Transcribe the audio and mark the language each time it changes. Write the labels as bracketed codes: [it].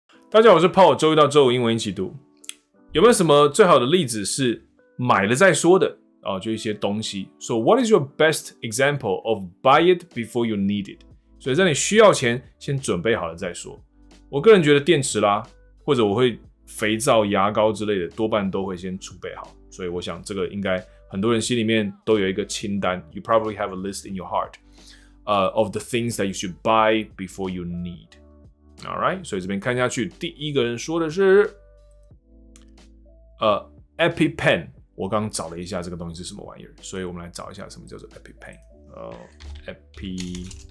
[zh] 大家好，我是Paul，周一到周五英文一起读。有没有什么最好的例子是买了再说的？就一些东西。 [en] So what is your best example of buy it before you need it？ [zh] 所以在你需要前先准备好了再说。我个人觉得电池啦，或者我会肥皂、牙膏之类的，多半都会先储备好。所以我想这个应该很多人心里面都有一个清单。 [en] You probably have a list in your heart, of the things that you should buy before you need. All right, [zh] 所以这边看下去，第一个人说的是，EpiPen。我刚找了一下这个东西是什么玩意儿，所以我们来找一下什么叫做 EpiPen。 EpiPen。